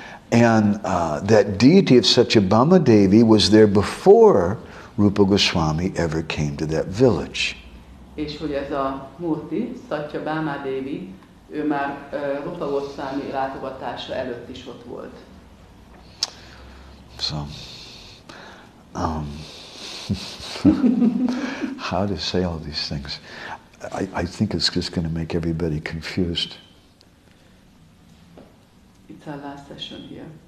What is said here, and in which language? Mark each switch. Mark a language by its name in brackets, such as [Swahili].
[English] and that deity of Satyabhama Devi was there before Rupa Goswami ever came to that village. [Hungarian] És hogy ez a murti, Satyabhama Devi, ő már Rupa Goswami látogatása előtt is ott volt. [English] So, how to say all these things? I think it's just going to make everybody confused. It's our last session here.